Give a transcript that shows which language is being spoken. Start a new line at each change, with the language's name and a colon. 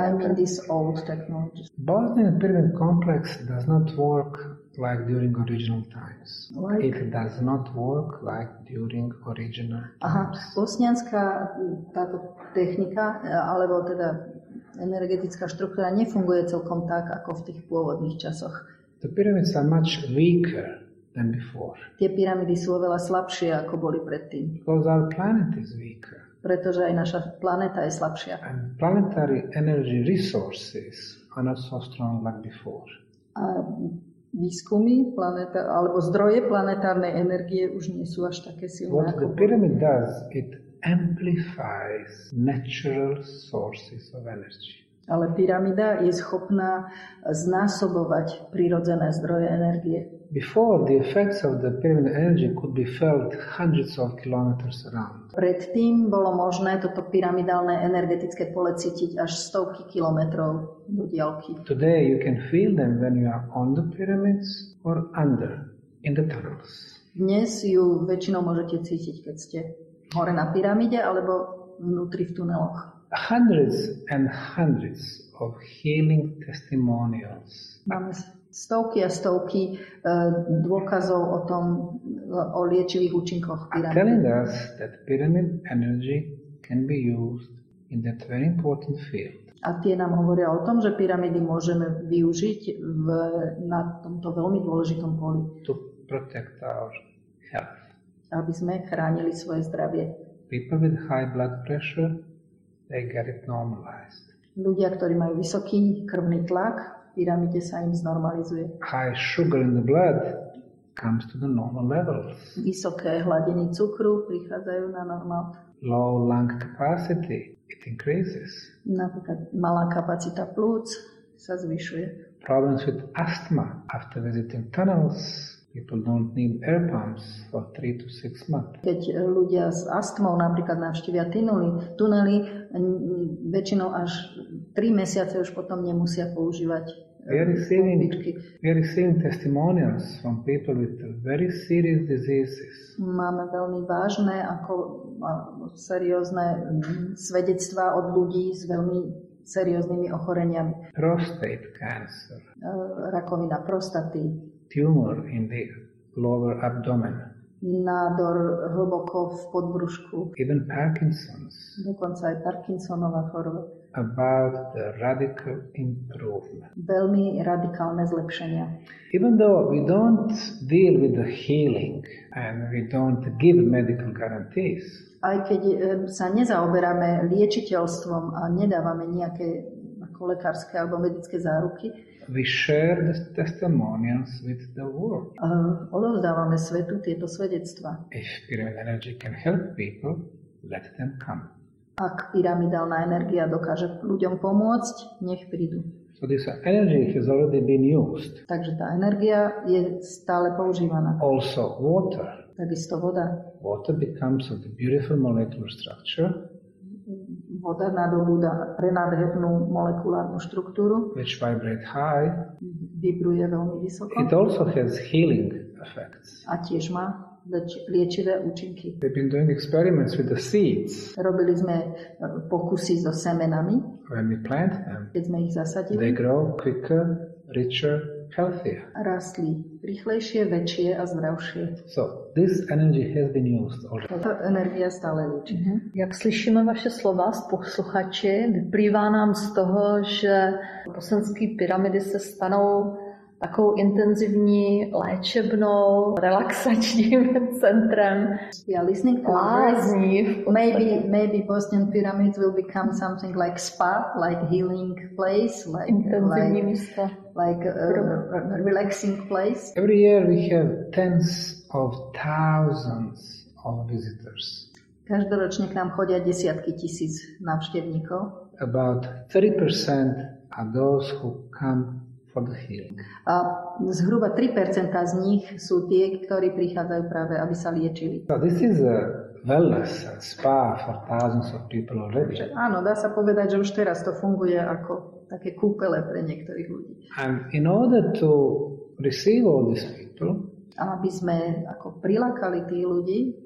English: I mean these old technologies. Bosnian pyramid complex does not work like during original times. Like? It does not work like during original times.
Slovak: Aha, bosnianská táto technika, alebo teda energetická štruktúra nefunguje celkom tak, ako v tých pôvodných časoch.
English: The pyramids are much weaker than before.
Slovak: Tie pyramidy sú oveľa slabšie, ako boli predtým.
English: Because our planet is weaker.
Slovak: Pretože aj naša planéta je slabšia.
English: And planetary energy resources are not so strong like before.
Slovak: A výskumy planéta, alebo zdroje planetárnej energie už nie sú až také silné.
English: What the pyramid does, it amplifies natural sources of energy.
Slovak: Ale pyramída je schopná znásobovať prirodzené zdroje energie.
English: Before, the effects of the pyramid energy could be felt hundreds of kilometers around.
Slovak: Predtým bolo možné toto pyramidálne energetické pole cítiť až stovky kilometrov do diaľky.
English: Today you can feel them when you are on the pyramids or under in the tunnels.
Slovak: Dnes ju väčšinou môžete cítiť, keď ste hore na pyramide alebo vnútri v tuneloch.
English: Hundreds and hundreds of healing testimonials.
Slovak: Máme stovky a stovky dôkazov o tom, o liečivých účinkoch pyramid.
English: Telling us that pyramid energy can be used in that very important field.
Slovak: A tie nám hovoria o tom, že pyramidy môžeme využiť v, na tomto veľmi dôležitom poli.
English: To protect our health.
Slovak: Aby sme chránili svoje zdravie.
English: People with high blood pressure, they get it normalized.
Slovak: Ľudia, ktorí majú vysoký krvný tlak, pyramide sa im znormalizuje.
English: High sugar in the blood comes to the normal levels.
Slovak: Vysoké hladiny cukru prichádzajú na normál.
English: Low lung capacity, it increases.
Slovak: Napríklad malá kapacita plúc sa zvyšuje.
English: Problems with asthma after visiting tunnels. People don't need air pumps for 3 to 6 months.
Slovak: Keď ľudia s astmou napríklad navštívia tunely, väčšinou až 3 mesiace už potom nemusia používať pumpičky.
English: We are receiving testimonials from people with very serious diseases.
Slovak: Máme veľmi vážne ako seriózne svedectvá od ľudí s veľmi serióznymi ochoreniami.
English: Prostate cancer.
Slovak: Rakovina prostaty.
English: Tumor in the lower abdomen.
Slovak: Nádor hlboko v podbrúšku.
English: Even Parkinson's.
Slovak: Dokonca aj Parkinsonova choroba.
English: About the radical improvement.
Slovak: Veľmi radikálne zlepšenia.
English: Even though we don't deal with the healing and we don't give medical guarantees.
Slovak: Aj keď sa nezaoberáme liečiteľstvom a nedávame nejaké ako lekárske alebo medické záruky.
English: We share the testimonials with the world.
Slovak: Odovzdávame svetu tieto svedectvá.
English: If pyramid energy can help people, let them come.
Slovak: Ak pyramidálna energia dokáže ľuďom pomôcť, nech prídu.
English: So this energy has already been used.
Slovak: Takže tá energia je stále používaná.
English: Also water.
Slovak: Takisto voda.
English: Water becomes a beautiful molecular structure.
Slovak: Voda nadobúda prenádhernú molekulárnu štruktúru.
English: Which vibrate high.
Slovak: Vibruje veľmi vysoko.
English: It also has healing effects.
Slovak: A tiež má liečivé účinky.
English: We've been doing experiments with the seeds.
Slovak: Robili sme pokusy so semenami.
English: When we plant them.
Slovak: Keď sme ich zasadili.
English: They grow quicker, richer, healthier.
Slovak: Rastli rýchlejšie, väčšie a zdravšie.
English: So, this energy has been used already.
Slovak: Táto energia stále liečí.
Czech: Jak slyšíme vaše slova z posluchače, vyplývá nám z toho, že bosenské pyramidy se stanou takovou intenzivní léčebnou, relaxačním centrem.
English: Yeah, listening to
Czech: lázní.
English: Maybe Bosnian pyramids will become something like spa, like healing place, like
Czech: intenzivní místo.
English: Like a relaxing place. Every year we have tens of thousands of visitors.
Slovak: Každoročne k nám chodia desiatky tisíc návštevníkov.
English: About 30% are those who come for the healing.
Slovak: A zhruba 3% z nich sú tie, ktorí prichádzajú práve, aby sa liečili.
English: So this is a wellness spa for thousands of people already.
Slovak: Áno, dá sa povedať, že už teraz to funguje ako také kúpele pre niektorých ľudí.
English: And in order to receive all these people,
Slovak: aby sme ako prilákali tí ľudí.